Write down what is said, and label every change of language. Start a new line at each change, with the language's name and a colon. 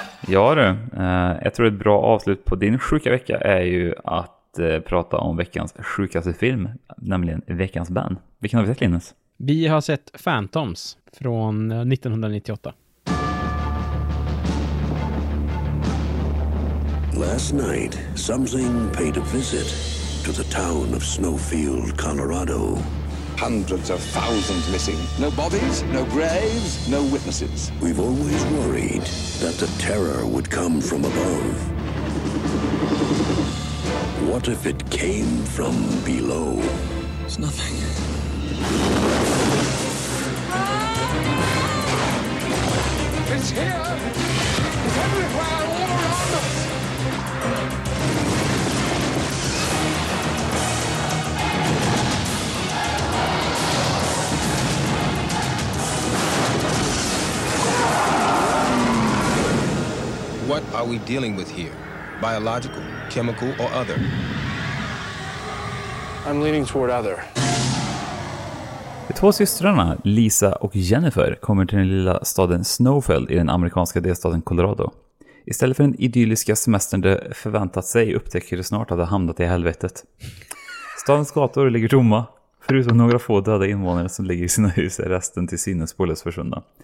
Swedish: Ja du, jag tror ett bra avslut på din sjuka vecka är ju att prata om veckans sjukaste film, nämligen veckans band. Vilken har vi sett, Linus? Vi har sett Phantoms från 1998.
English: Last night, something paid a visit to the town of Snowfield, Colorado. Hundreds of thousands missing. No bodies, no graves, no witnesses. We've always worried that the terror would come from above. What if it came from below? It's nothing. It's here! It's everywhere, all around us! What are we dealing with here? Biological, chemical, or other? I'm leaning toward other.
Swedish: De två systrarna, Lisa och Jennifer, kommer till den lilla staden Snowfield i den amerikanska delstaten Colorado. Istället för den idylliska semestern de förväntat sig upptäcker de snart att de hamnat i helvetet. Stadens gator ligger tomma, förutom några få döda invånare som ligger i sina hus är resten till synes spårlöst försvunna.